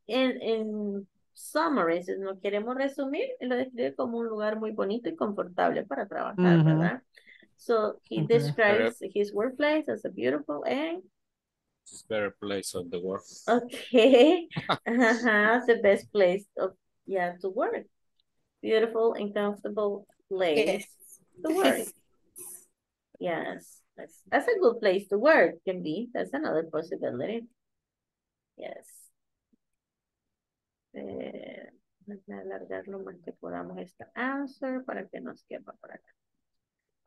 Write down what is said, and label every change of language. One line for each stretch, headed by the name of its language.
English: In summary,
Spanish: si no queremos resumir, lo describe como un lugar muy bonito y confortable para trabajar, ¿verdad?
English: So he describes his workplace as a beautiful and better place of the world. Okay. the best place of to work. Beautiful and comfortable place to work. Yes. That's a good place to work, can be. That's another possibility. Yes.
Spanish: Déjame alargar lo más que podamos esta answer para que nos quepa por acá.